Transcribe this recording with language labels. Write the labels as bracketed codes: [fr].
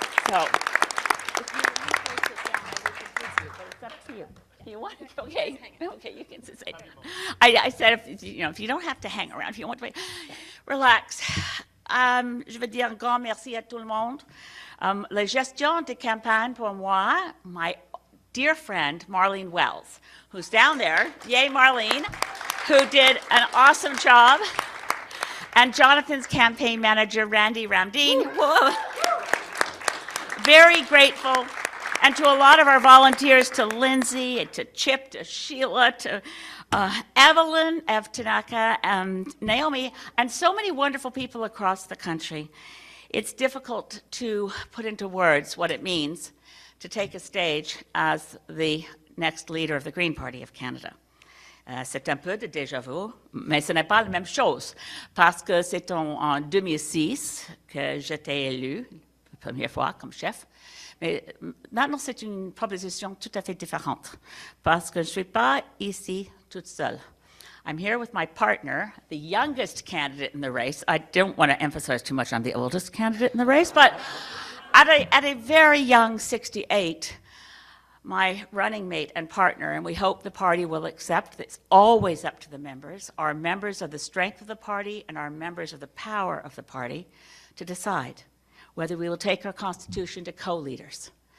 [en] So, if you want to sit down, I'll just sit down, but it's up to you. You want to? Okay, okay, you can sit down. I said, if you don't have to hang around, if you want to wait, relax. [fr] Je veux dire un grand merci à tout le monde. La gestion de campagne pour moi, [en] my dear friend Marlene Wells, who's down there. Yay, Marlene, who did an awesome job. And Jonathan's campaign manager, Randy Ramdeen. Very grateful. And to a lot of our volunteers, to Lindsay, to Chip, to Sheila, to Evelyn, Ev Tanaka, and Naomi, and so many wonderful people across the country. It's difficult to put into words what it means to take a stage as the next leader of the Green Party of Canada. [fr] C'est un peu de déjà vu, mais ce n'est pas la même chose, parce que c'est en 2006 que j'étais élue, la première fois comme chef. Mais maintenant, c'est une proposition tout à fait différente, parce que je ne suis pas ici toute seule. [en] I'm here with my partner, the youngest candidate in the race. I don't want to emphasize too much on the oldest candidate in the race, but at a very young 68, my running mate and partner, and we hope the party will accept that it's always up to the members, our members of the strength of the party and our members of the power of the party, to decide whether we will take our constitution to co-leaders.